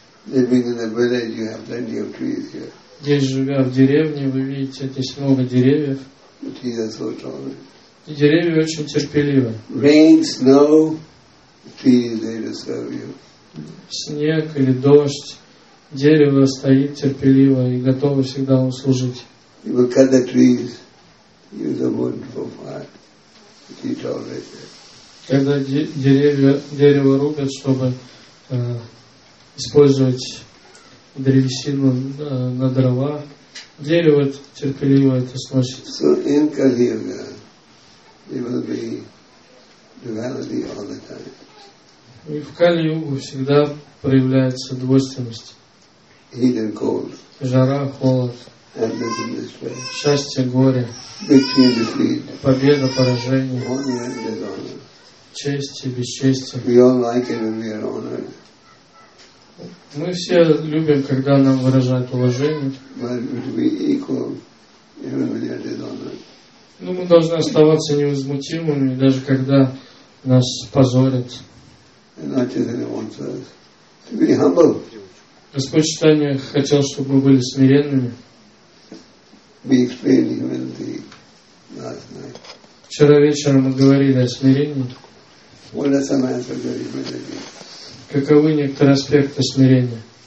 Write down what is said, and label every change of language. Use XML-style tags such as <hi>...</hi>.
<ru>Здесь, живя в деревне, вы видите, здесь много деревьев. И деревья очень терпеливы.</ru> <en>Rain, snow, trees, they will serve you.</en> <ru>Снег или дождь, дерево стоит терпеливо и готово всегда услужить.</ru> <en>You will cut the trees, use the wood for fire, which is already there.</en> <ru>Когда дерево рубят, чтобы использовать древесину на дрова, дерево терпеливо это сносит.</ru> <en>So in Kali Yuga, there will be duality all the time.</en> <ru>И в Кали-Югу всегда проявляется двойственность.</ru> <en>Heat and cold.</en> <ru>Жара, холод.</ru> <en>Happiness and despair.</en> <ru>Счастье, горе.</ru> <en>Victory and defeat.</en> <ru>Победа, поражение.</ru> <en>Honor and dishonor.</en> <ru>Честь и бесчестие.</ru> <en>We all like it when we are honored.</en> <ru>Мы все любим, когда нам выражают уважение.</ru> <en>But we equal even when we are dishonored.</en> <ru>Но мы должны оставаться невозмутимыми, даже когда нас позорят.</ru> <en>And not just anyone says to be humble.</en> <ru>Господь Чайтанья хотел, чтобы мы были смиренными.</ru> <en>We explained humility last night.</en> <ru>Вчера вечером мы говорили о смирении.</ru> <en>What are some aspects of humility?</en> <ru>Каковы некоторые аспекты смирения?</ru>